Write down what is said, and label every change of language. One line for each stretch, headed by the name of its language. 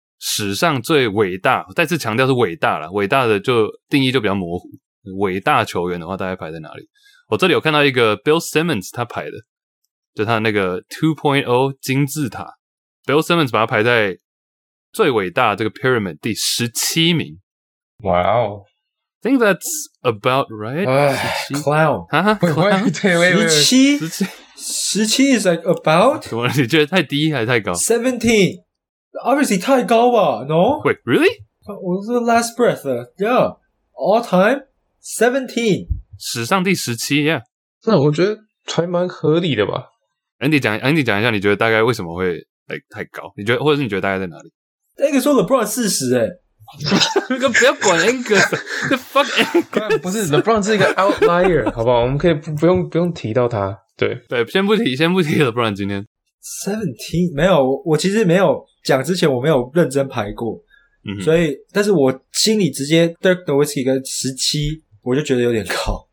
Chinese: 史上最伟大，再次强调是伟大啦，伟大的就定义就比较模糊。伟大球员的话大概排在哪里？我这里有看到一个 Bill Simmons 他排的，就他那个 2.0 金字塔， Bill Simmons 把他排在最伟大这个 pyramid 第17名。
English: Wow. I think that's about right. Clown.
Chinese: 哈哈 clown?
English: 17 is like about?
Chinese: 怎么你觉得太低还是太高？
English: 17.
Chinese: Obviously, 太高吧 no?
English: Wait, really? 我是 last breath, yeah. All time, 17.
Chinese: 史上第17, yeah. 那我觉得还蛮合理的吧。 Andy讲一下你觉得大概为什么会 like, 太高你觉得或者是你觉得大概在哪里 Angus 说 LeBron 40, 欸。不要管 Angus,
English: the fuck
Chinese: Angus. 不是 LeBron 是一个 outlier, 好不好我们可以不用提到他。对。对先不提 LeBron 今天。 17, 没有我其实没有讲之前我没有认真排过、嗯、所以但是我心里直接 Dirk Nowitzki 跟17我就觉得有点高